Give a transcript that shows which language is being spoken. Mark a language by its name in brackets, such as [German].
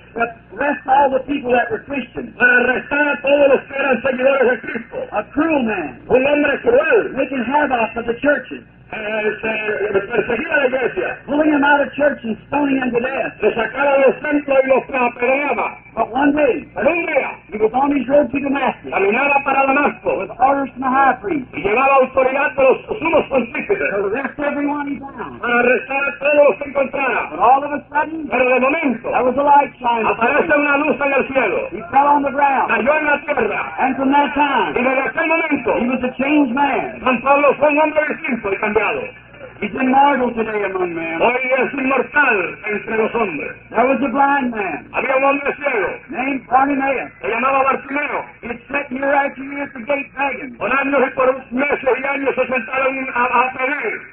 [English] To arrest all the people that were Christians. [Spanish] Para arrestar a todos los que eran seguidores de Cristo. [English] A cruel man. [Spanish] Un hombre cruel. [English] Making havoc of the churches. [Spanish] Perseguía la iglesia. [English] Pulling him out of church and stoning him to death. [Spanish] Lo sacaba del templo y lo apedreaba. [English] But one day, [Spanish] un día, [English] he was on his road to Damascus. [Spanish] Caminaba para Damasco. [English] With orders from the high priest. [Spanish] Y llevaba autoridad de los sumos pontífices. [English] To arrest everyone he found. [Spanish] Para arrestar a todos los que encontrara. [English] But all of a sudden, [Spanish] pero de momento, [English] there was a light shining. [Spanish] Aparece una luz en el cielo. [English] He fell on the ground. [Spanish] Cayó en la tierra. [English] And from that time, [Spanish] y desde aquel momento, [English] he was a changed man. [Spanish] San Pablo fue un hombre distinto y cambiado. [English] He's immortal today among men. [Spanish] Hoy es inmortal entre los hombres. [English] There was a blind man. [Spanish] Había un hombre ciego. [English] Named Bartimaeus. [Spanish] Se llamaba Bartimeo. [English] He sat year after year at the gate begging. [Spanish] Por años y por meses y años se sentaron a pedir.